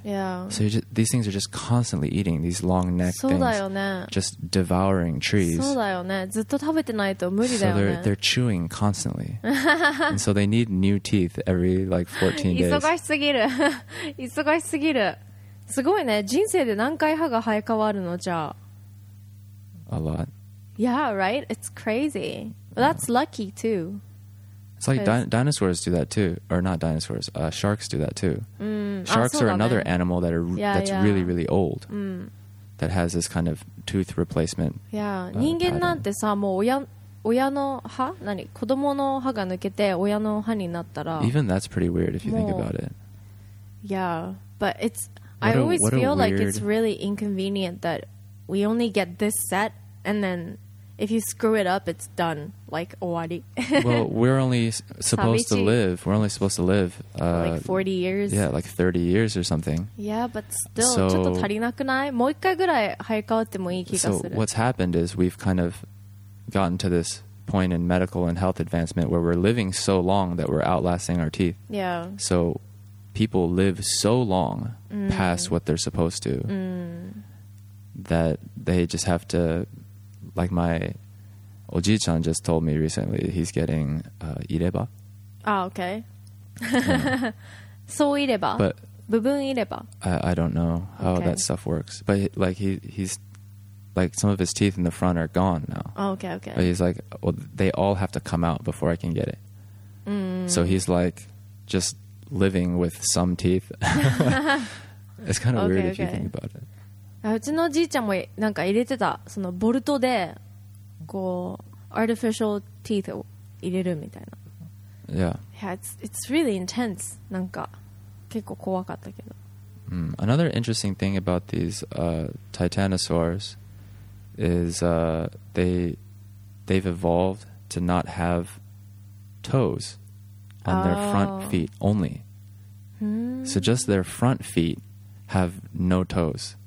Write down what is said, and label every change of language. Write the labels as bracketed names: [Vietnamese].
[English] Yeah. So these things are just constantly eating these long neck things. Just devouring trees. So they're chewing constantly. And so they need new teeth every like 14 days. [Japanese] 忙しすぎる。すごいね。人生で何回歯が生え変わるのじゃあ。 [English] A lot. Yeah, right? It's crazy. Well, that's lucky too. It's like dinosaurs do that too. Or not dinosaurs. Sharks do that too. Sharks are another animal that are really, really old. That has this kind of tooth replacement. [Japanese] Yeah. 人間なんてさ、もう親の歯？何？子供の歯が抜けて親の歯になったら。 [English] Even that's pretty weird if you think about it. Yeah. But it's... I always feel like it's really inconvenient that we only get this set and then... If you screw it up, it's done. Like, [Japanese] 終わり. [English] Well, we're only supposed to live. We're only supposed to live. Like 40 years. Yeah, like 30 years or something. Yeah, but still, so, [Japanese] ちょっと足りなくない? もう一回ぐらい生え変わってもいい気がする。 [English] So what's happened is we've kind of gotten to this point in medical and health advancement where we're living so long that we're outlasting our teeth. Yeah. So people live so long past what they're supposed to that they just have to... Like my Ojii-chan just told me recently, he's getting ireba. Ah, okay. So ireba. But [Japanese] 部分ireば. [English] I don't know how that stuff works. But he's like some of his teeth in the front are gone now. Oh, okay, okay. But he's like, well, they all have to come out before I can get it. So he's like just living with some teeth. It's kind of weird if you think about it. [Japanese] うちのおじいちゃんもなんか入れてたそのボルトでこうアーティフィシャルティーズを入れるみたいな [English] Yeah, yeah it's really intense [Japanese] なんか結構怖かったけど、 [English] Another interesting thing about these titanosaurs is they've evolved to not have toes on their front feet only So just their front feet have no toes